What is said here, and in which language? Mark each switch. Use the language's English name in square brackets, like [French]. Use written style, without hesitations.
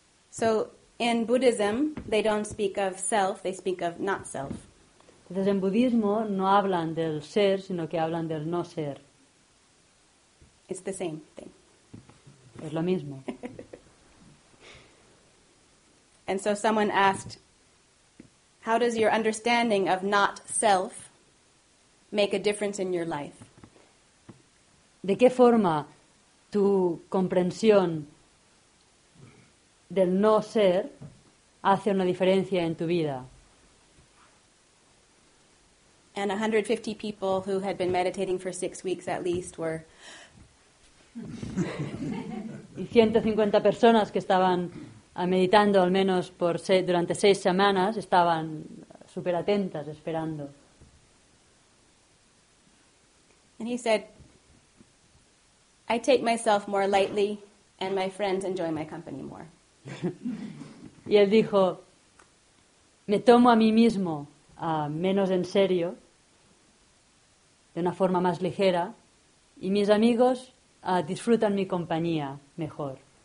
[English] So, in Buddhism, they don't speak of self, they speak of not self. [Spanish] Entonces, en budismo no hablan del ser, sino que hablan del no ser. [English] It's the same thing. [Spanish] Es lo mismo. [English] And so someone asked, how does your understanding of not self make a difference in your life? [Spanish] ¿De qué forma tu comprensión del no ser hace una diferencia en tu vida? [English] And 150 people who had been meditating for 6 weeks at least were... [Spanish] Y 150 personas que estaban meditando al menos durante 6 semanas estaban súper atentas, esperando. [English] And he said, I take myself more lightly and my friends enjoy my company more. [Spanish] Y él dijo, me tomo a mí mismo menos en serio, de una forma más ligera, y mis amigos disfrutan mi compañía mejor.